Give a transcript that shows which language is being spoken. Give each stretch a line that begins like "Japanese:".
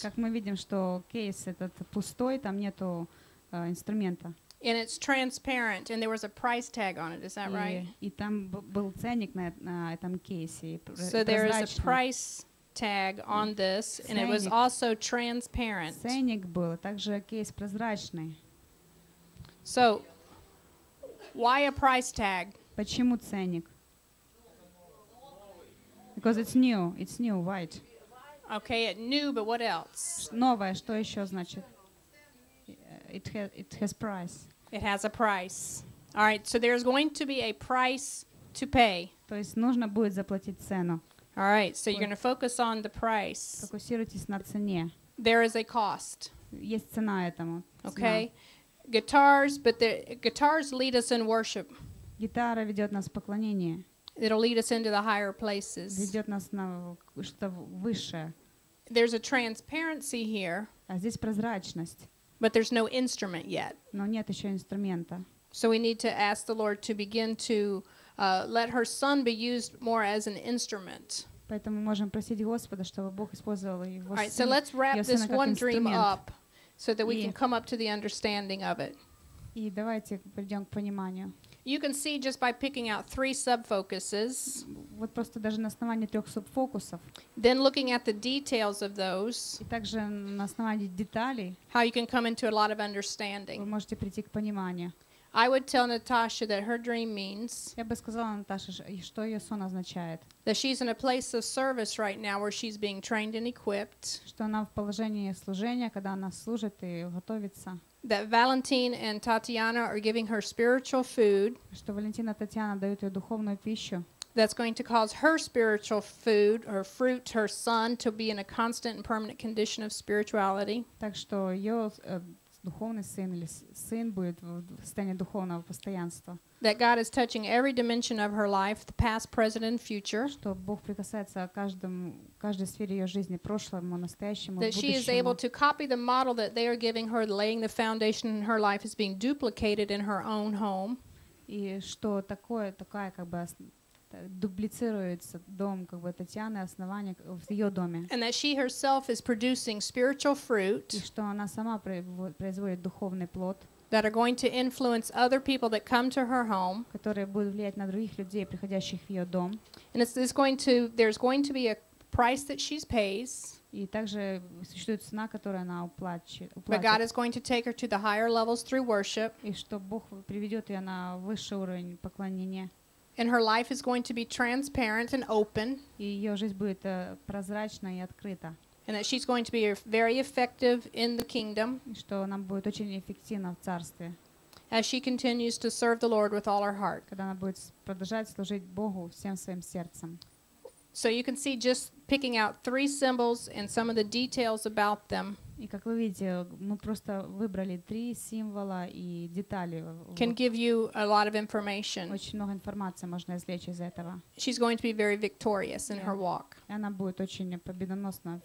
Russian: Как мы видим, что кейс этот пустой, там нету инструмента.
English: And it's transparent, and there was a price tag on it. Is that right?
Russian: И там был ценник на этом кейсе.
English: So there is a price tag on this, and ценник. It was also transparent.
Russian: Ценник был, также кейс прозрачный.
English: So, why a price tag?
Russian: Почему ценник?
English: Because it's new. It's new, white. Okay, it new, but what else?
Russian: Новое, что еще значит?
English: It has price. It has a price. All right, so there's going to be a price to pay.
Russian: То есть нужно будет заплатить цену.
English: All right, so you're going to focus on the price.
Russian: Фокусируйтесь на цене.
English: There is a cost.
Russian: Есть цена этому.
English: Okay. Guitars lead us in worship.
Russian: Гитара ведет нас в поклонение.
English: It'll lead us into the higher places.
Russian: Ведет нас на что-то выше.
English: There's a transparency here.
Russian: А здесь прозрачность.
English: But there's no instrument yet.
Russian: Но нет еще инструмента.
English: So we need to ask the Lord to begin to let her son be used more as an instrument.
Russian: Поэтому можем просить Господа, чтобы Бог использовал его.
English: All right, so let's wrap this one dream up. so that we can come up to the understanding of it.
Russian: И давайте придём к пониманию.
English: You can see just by picking out three subfocuses.
Russian: Вот просто даже на основании трёх субфокусов.
English: Then looking at the details of those.
Russian: И также на основании деталей.
English: How you can come into a lot of understanding.
Russian: Вы можете прийти к пониманию.
English: I would tell Natasha that her dream means.
Russian: Я бы сказала Наташе, что её сон означает.
English: That she's in a place of service right now where she's being trained and equipped.
Russian: Что она в положении служения, когда она служит и готовится.
English: That Valentin and Tatiana are giving her spiritual food.
Russian: Что Валентина и Татьяна дают ей духовную пищу.
English: That's going to cause her spiritual food, her fruit, her son to be in a constant and permanent condition of spirituality.
Russian: Так что её духовный сын или сын будет в состоянии духовного постоянства.
English: That God is touching every dimension of her life, the past, present and future.
Russian: Что Бог прикасается к каждой сфере её жизни, прошлому, настоящему,
English: That she is able to copy the model that they are giving her, laying the foundation in her life is being duplicated in her own home.
Russian: И что такая как бы дублицируется дом как бы Татьяны, основание в её доме.
English: And that she herself is producing spiritual fruit.
Russian: И что она сама производит духовный плод.
English: That are going to influence other people that come to her home.
Russian: Которые будут влиять на других людей, приходящих в её дом.
English: And it's going to, there's going to be a price that she pays.
Russian: И также существует цена, которую она уплатит.
English: But God is going to take her to the higher levels through worship.
Russian: И что Бог приведёт её на высший уровень поклонения.
English: And her life is going to be transparent and open.
Russian: И её жизнь будет прозрачна и открыта.
English: And that she's going to be very effective in the kingdom.
Russian: Что она будет очень эффективна в царстве.
English: As she continues to serve the Lord with all her heart.
Russian: Когда она будет продолжать служить Богу всем своим сердцем.
English: So you can see just picking out three symbols and some of the details about them.
Russian: И как вы видите, мы просто выбрали три символа и детали.
English: Can give you a lot of information.
Russian: Очень много информации можно извлечь из этого.
English: She's going to be very victorious in her walk.
Russian: Она будет очень победоносна